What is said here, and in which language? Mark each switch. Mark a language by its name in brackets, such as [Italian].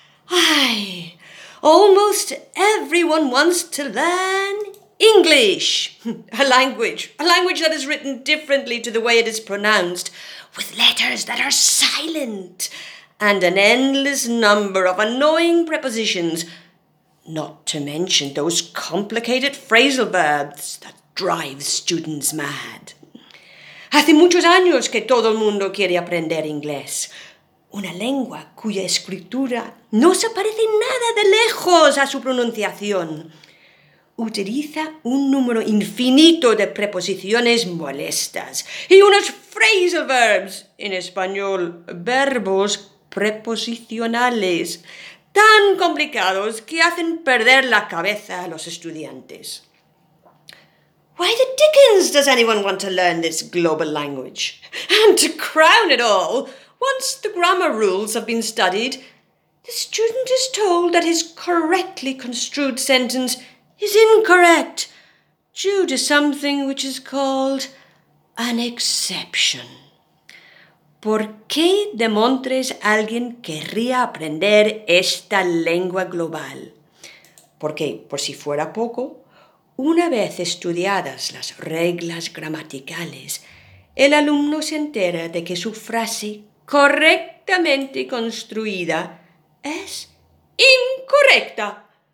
[English] Ay, almost everyone wants to learn English, a language that is written differently to the way it is pronounced, with letters that are silent, and an endless number of annoying prepositions, not to mention those complicated phrasal verbs that drive students mad. [Spanish] Hace muchos años que todo el mundo quiere aprender inglés, una lengua cuya escritura no se parece nada de lejos a su pronunciación. Utiliza un número infinito de preposiciones molestas y unos phrasal verbs, en español, verbos preposicionales, tan complicados que hacen perder la cabeza a los estudiantes. [English] Why the dickens does anyone want to learn this global language? And to crown it all, once the grammar rules have been studied, the student is told that his correctly construed sentence is incorrect due to something which is called an exception. [Spanish] ¿Por qué demontres alguien querría aprender esta lengua global? Porque, por si fuera poco, una vez estudiadas las reglas gramaticales, el alumno se entera de que su frase correctamente construida es incorrecta.